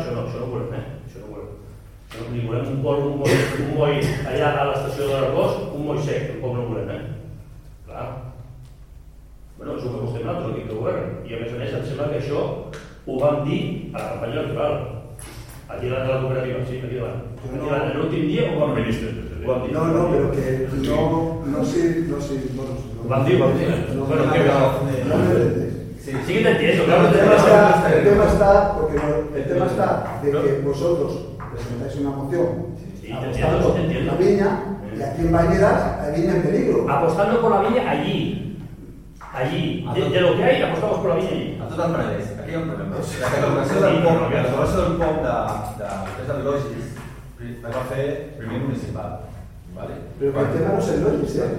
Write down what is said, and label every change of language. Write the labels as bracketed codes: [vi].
[ca] Això no volem, Això no volem. Ni volem un port, un moll allà a l'estació de l'Arbós, un moll sec, tampoc no volem, Clar. Bueno, és el que apostem nosaltres, l'equip de govern. I a més, em sembla que això ho vam dir a la campanya electoral. Aquí davant de la cooperativa, sí, aquí davant. L'últim dia ho vam dir. [es] Lo han dicho. No, no, pero que no, no sé, no sé. Bueno, no, lo han dicho. No, bueno, no, que no. No me entiendes. Sí, sí, te entiendo. Claro, el tema está, porque no, el tema está de que vosotros presentáis una moción apostando por la viña, y aquí en Bañeras hay viña en peligro. Apostando por la viña allí. Allí, de lo que hay, apostamos por la viña allí. [ca] A totes maneres, aquí hi ha un problema. La declaració del POM, la declaració del POM de Logis, la va fer primer municipal. ¿Vale? Però quan tenen els Logis, eh?